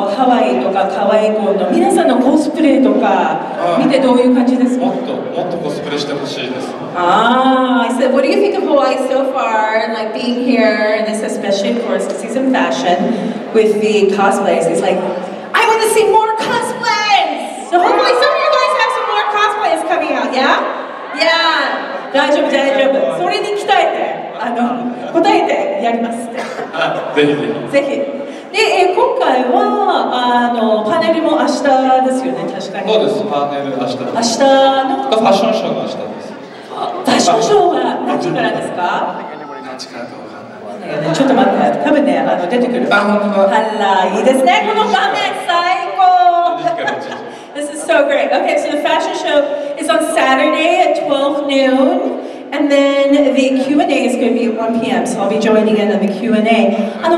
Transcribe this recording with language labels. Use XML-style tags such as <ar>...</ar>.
<ja>アメリカで、アメリカは初めてじゃないですよね、もちろん。なんでも、ハワイとかカワイイコンの皆さんのコスプレとか見てどういう感じですか？もっとコスプレしてほしい。</ja> <en>questions. Ah, I said, what do you think of Hawaii so far, and like being here, and this especially, of course, because he's in fashion with the cosplays. He's like, I want to see more cosplays! So hopefully some of you guys have some more cosplays coming out, yeah? Yeah.</en> <ja>大丈夫、大丈夫。それに鍛えて、あの、答えて、やります。ぜひ。で、今回は、あの、パネルも明日ですよね、確かに。そうです。パネルは明日です。明日の、ファッションショーが明日です。ファッションショーは、何時からですか?ちょっと待って、多分ね、あの、出てくる。あ、本当だ。あら、いいですね、このパネル最高!</ja> <en>This is so great. Okay, so the fashion show is on Saturday at 12 noon. And then the Q&A is going to be at 1 p.m. So I'll be joining in on the Q&A.</en>